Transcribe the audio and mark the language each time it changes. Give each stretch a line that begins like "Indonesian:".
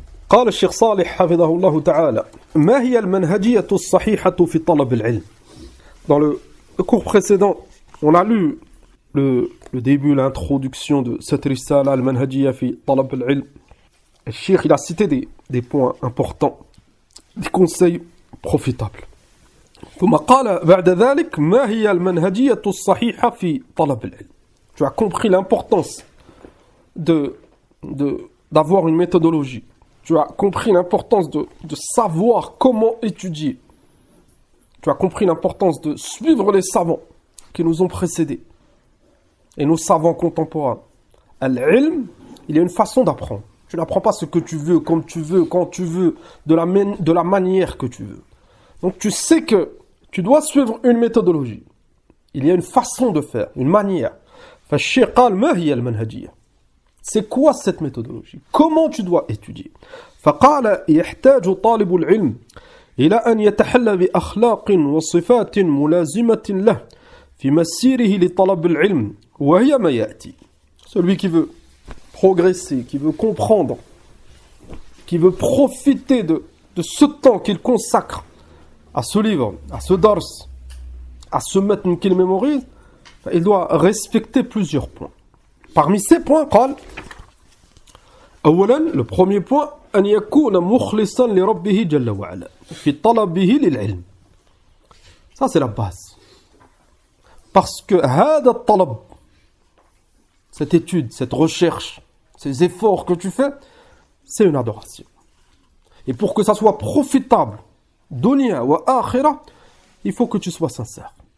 Arabic: قال الشيخ صالح حفظه الله تعالى ما هي المنهجية الصحيحة في طلب العلم.
French: Dans le cours précédent, on a lu le début, l'introduction de cette risale al-manhajiyya fi talab al-ilm. Le cheikh, il a cité des points importants, des conseils profitables.
Arabic: ثم قال بعد ذلك ما هي المنهجية الصحيحة في طلب العلم.
French: Tu as compris l'importance d'avoir une méthodologie. Tu as compris l'importance de savoir comment étudier. Tu as compris l'importance de suivre les savants qui nous ont précédés et nos savants contemporains. Al-ilm, il y a une façon d'apprendre. Tu n'apprends pas ce que tu veux, comme tu veux, quand tu veux, de la manière que tu veux. Donc tu sais que tu dois suivre une méthodologie. Il y a une façon de faire, une manière.
Arabic: Fashir qal ma hiya al-manhajiyya.
French: C'est quoi cette méthodologie? Comment tu dois étudier?
Arabic: فقال يحتاج طالب العلم إلى أن يتحلى بأخلاق وصفات ملازمة له في مسيره لطلب العلم وهي ما يأتي.
French: Celui qui veut progresser, qui veut comprendre, qui veut profiter de ce temps qu'il consacre à ce livre, à ce dars, à ce matn qu'il mémorise, il doit respecter plusieurs points. Parmi ces points,
Arabic: قال أولا,
French: le premier point,
Arabic: أن يكون مخلصا لربه جل وعلا في طلبه للعلم.
French: Ça c'est la base. Parce que
Arabic: هذا الطلب,
French: cette étude, cette recherche, ces efforts que tu fais, c'est une adoration. Et pour que ça soit profitable,
Arabic: dunya wa akhira,
French: il faut que tu sois sincère.